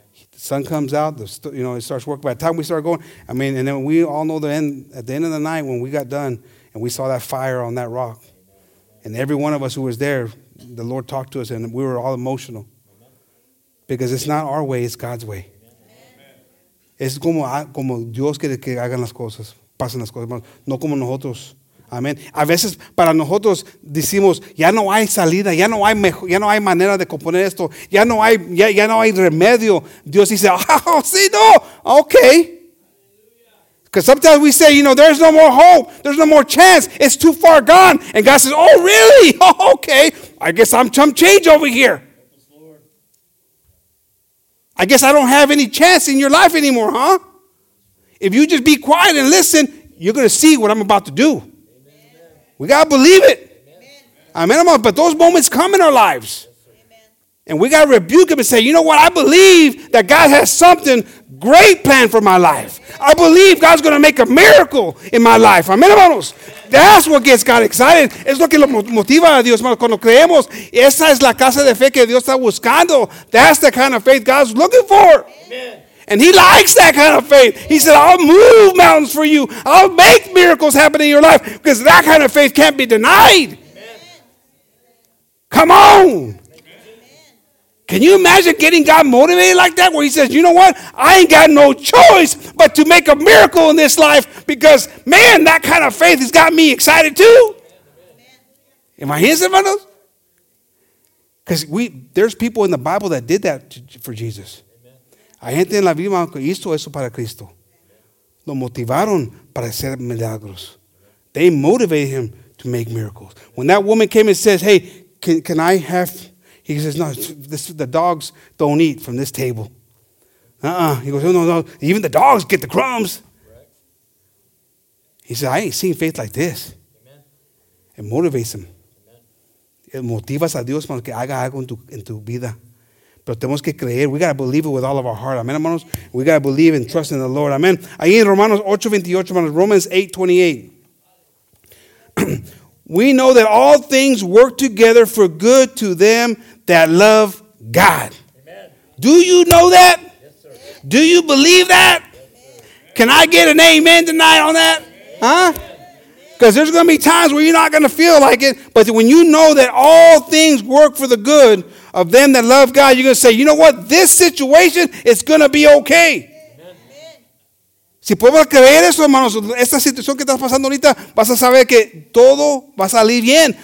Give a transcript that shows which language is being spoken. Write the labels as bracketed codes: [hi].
[en] The sun comes out, it starts working. By the time we start going, I mean, and then we all know at the end of the night when we got done and we saw that fire on that rock. And every one of us who was there, the Lord talked to us and we were all emotional. Because it's not our way, it's God's way. [es] Es como Dios quiere que hagan las cosas, pasen las cosas, no como nosotros. Amén. A veces para nosotros decimos, ya no hay salida, ya no hay mejor, ya no hay manera de componer esto, ya no hay remedio. Dios dice, oh, sí, no, ok. [en] Because sometimes we say, you know, there's no more hope. There's no more chance. It's too far gone. And God says, oh, really? Oh, okay. I guess I'm chump change over here. I guess I don't have any chance in your life anymore, huh? If you just be quiet and listen, you're going to see what I'm about to do. Amen. We got to believe it. Amen. Amen. But those moments come in our lives. Amen. And we got to rebuke him and say, you know what? I believe that God has something great planned for my life. I believe God's going to make a miracle in my life. Amen, hermanos. That's what gets God excited. [es] Es lo que lo motiva a Dios, hermanos. Cuando creemos, esa es la casa de fe que Dios está buscando. [en] That's the kind of faith God's looking for. Amen. And he likes that kind of faith. He said, I'll move mountains for you. I'll make miracles happen in your life. Because that kind of faith can't be denied. Amen. Come on. Amen. Can you imagine getting God motivated like that? Where he says, you know what? I ain't got no choice but to make a miracle in this life. Because, man, that kind of faith has got me excited too. Amen. Am I hearing something else? Because there's people in the Bible that did that for Jesus. [es] Hay gente en la Biblia que hizo eso para Cristo. [en] Lo motivaron para hacer milagros. They motivated him to make miracles. When that woman came and says, hey, can I have... He says, no, the dogs don't eat from this table. Uh-uh. He goes, no. Even the dogs get the crumbs. He says, I ain't seen faith like this. Amen. It motivates him. [es] Amen. It motivas a Dios para que haga algo en tu vida. Pero tenemos que creer. [en] We got to believe it with all of our heart. Amen, hermanos. We got to believe and trust in the Lord. Amen. [es] Ahí en Romanos 8:28, hermanos. Romans 8:28. [en] We know that all things work together for good to them that love God. Amen. Do you know that? Yes, sir. Do you believe that? Yes, sir. Can I get an amen tonight on that? Amen. Huh? Because there's going to be times where you're not going to feel like it. But when you know that all things work for the good of them that love God, you're going to say, you know what? This situation is going to be okay. [es] Si puedes creer eso, hermanos, esta situación que estás pasando ahorita, vas a saber que todo va a salir bien.